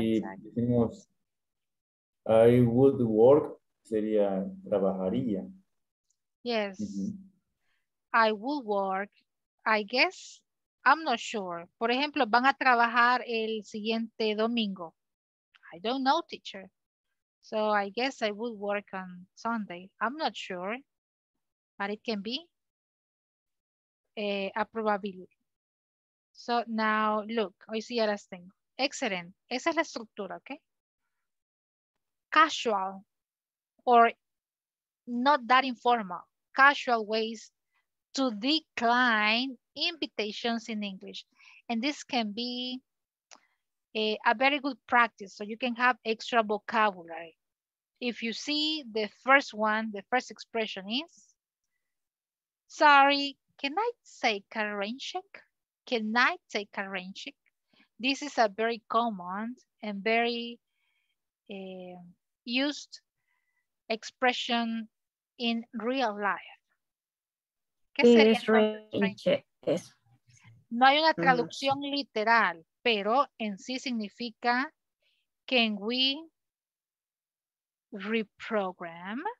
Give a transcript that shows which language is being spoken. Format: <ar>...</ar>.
<es>Y decimos,</es> <en>I would work</en> <es>sería trabajaría.</es> <en>Yes. Mm-hmm. I would work, I guess. I'm not sure.</en> <es>Por ejemplo, van a trabajar el siguiente domingo.</es> <en>I don't know, teacher. So I guess I would work on Sunday. I'm not sure, but it can be a probability. So now look,</en> <es>hoy sí ya las tengo.</es> <en>Excellent.</en> <es>Esa es la estructura, ¿ok?</es> <en>Casual or not that informal. Casual ways to decline invitations in English. And this can be a very good practice so you can have extra vocabulary. If you see the first one, the first expression is, sorry, can I take a rain check? Can I take a rain check? This is a very common and very used expression in real life.</en> <es>¿Qué sería rain check? No hay una traducción literal, pero en sí significa,</es> <en>can we reprogram?</en>